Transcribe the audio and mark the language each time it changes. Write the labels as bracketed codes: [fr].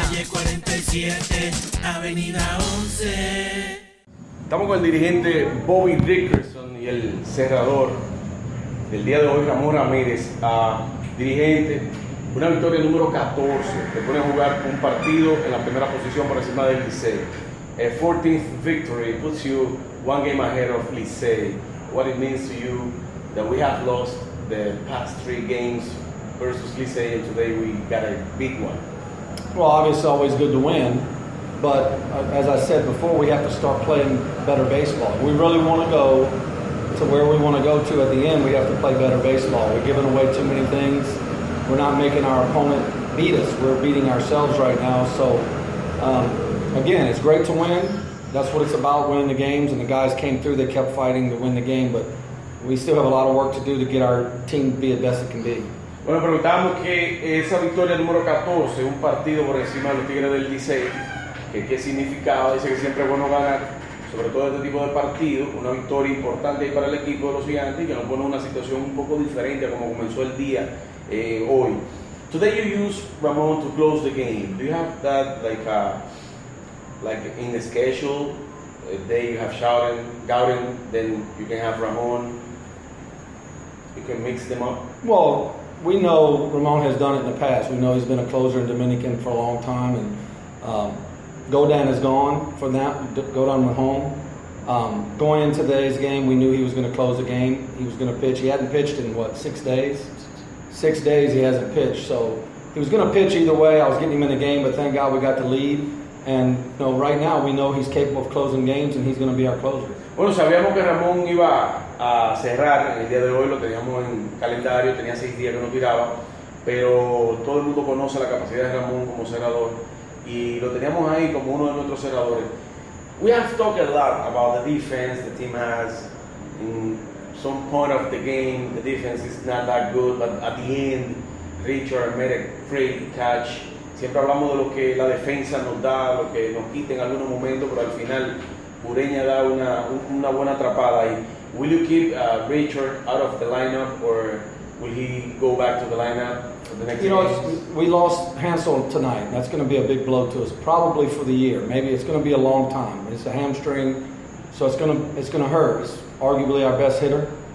[es] Calle 47, Avenida 11. Estamos con el dirigente Bobby Dickerson y el cerrador del día de hoy, Ramón Ramírez. Dirigente, una victoria número 14, te pone a jugar un partido en la primera posición por encima del Licey. [en] A 14th victory puts you one game ahead of Licey. What it means to you that we have lost the past three games versus Licey and today we got a big one? Well, obviously always good to win, but as I said before, we have to start playing better baseball. We really want to go to where we want to go to at the end. We have to play better baseball. We're giving away too many things. We're not making our opponent beat us. We're beating ourselves right now. So, again, it's great to win. That's what it's about, winning the games. And the guys came through. They kept fighting to win the game. But we still have a lot of work to do to get our team to be the best it can be. [es] Bueno, preguntamos que esa victoria número 14, un partido por encima de los Tigres del Licey, ¿qué significaba? Dice que siempre es bueno ganar, sobre todo este tipo de partido, una victoria importante para el equipo de los Gigantes, que nos pone una situación un poco diferente como comenzó el día. [en] Hoy, today you use Ramón to close the game. Do you have that like in the schedule? A day you have Gauden, then you can have Ramón. You can mix them up. Well, we know Ramón has done it in the past. We know he's been a closer in Dominican for a long time, and Gauden is gone for that. Gauden went home. Going into today's game, we knew he was going to close the game. He was going to pitch. He hadn't pitched in what, 6 days? 6 days he hasn't pitched, so he was going to pitch either way. I was getting him in the game, but thank God we got the lead. And you know, right now we know he's capable of closing games, and he's going to be our closer. [es] Bueno, sabíamos que Ramón iba a cerrar el día de hoy, lo teníamos en calendario, tenía 6 días que no tiraba, pero todo el mundo conoce la capacidad de Ramón como cerrador, y lo teníamos ahí como uno de nuestros cerradores. [en] We have talked a lot about the defense the team has in some point of the game, the defense is not that good, but at the end, Richard made a great catch. [es] Siempre hablamos de lo que la defensa nos da, lo que nos quita en algunos momentos, pero al final, Ureña da una buena atrapada. [en] Y will you keep Richard out of the lineup, or will he go back to the lineup for the next game? We lost Hansel tonight. That's going to be a big blow to us, probably for the year. Maybe it's going to be a long time. It's a hamstring, so it's going to hurt. It's arguably our best hitter.